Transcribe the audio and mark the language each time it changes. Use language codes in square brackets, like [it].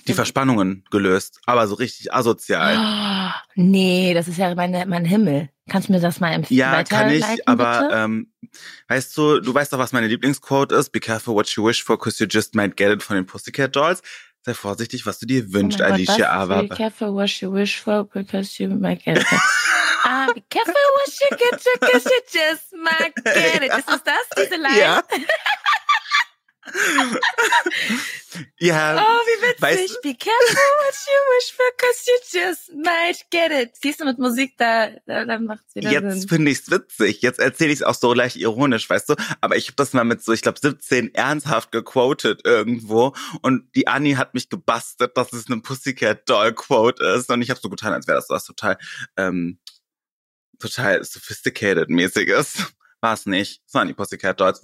[de] Die Verspannungen gelöst, aber so richtig asozial. Oh, nee, das ist ja mein Himmel. Kannst du mir das mal empfehlen? Ja, kann ich, aber weißt du, du weißt doch, was meine Lieblingsquote ist. [en] Be careful what you wish for, because you just might get it [de] von den Pussycat Dolls. Sei vorsichtig, was du dir wünschst, oh Alicia Gott, Aber. [en] Be careful what you wish for, because you might get it. be careful what you get, because you just might get it. [de] Ist es das, diese Line? Ja. Ja, oh, wie witzig. Weißt, [en] be careful what you wish for, because you just might get it. [de] Siehst du, mit Musik, da macht es wieder jetzt Sinn. Jetzt finde ich es witzig. Jetzt erzähle ich es auch so leicht ironisch, weißt du? Aber ich habe das mal mit so, ich glaube, 17 ernsthaft gequotet irgendwo. Und die Annie hat mich gebastelt, dass es eine Pussycat-Doll-Quote ist. Und ich habe so getan, als wäre das was total, total sophisticated-mäßiges. War es nicht. Das waren die Pussycat-Dolls.